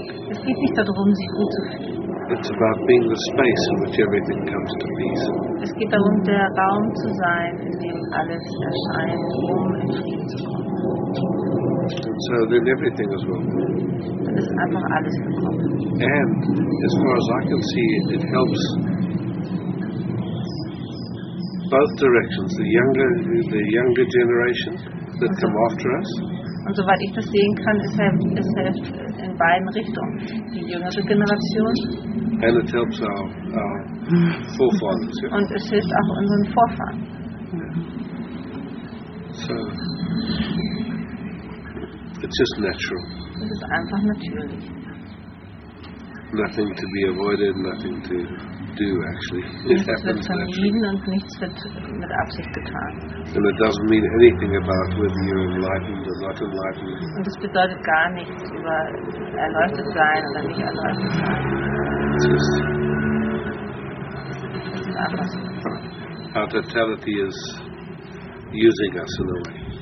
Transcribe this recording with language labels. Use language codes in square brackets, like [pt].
[de] Es geht nicht darum, sich gut zu fühlen. [en] It's about being the space in which everything comes to peace. [de] Es geht darum, der Raum zu sein, in dem alles erscheint, um in Frieden zu kommen. [en] So then everything is welcome. [de] Das ist einfach alles willkommen. [en] And as far as I can see, it helps both directions. The younger generation that come after us. [de] Und soweit ich das sehen kann, es hilft in beiden Richtungen. Die jüngere Generation. [en] And it helps our forefathers. Yeah. [de] Und es hilft auch unseren Vorfahren. [en] So. It's just natural. [de] Es ist einfach natürlich. [en] Nothing to be avoided, nothing to do actually. [de] Nichts wird vermieden und nichts wird mit Absicht getan. [en] And it doesn't mean anything about whether you're enlightened or not enlightened. [de] Und es bedeutet gar nichts über erleuchtet sein oder nicht erleuchtet sein. [en] Just our totality is using us in a way.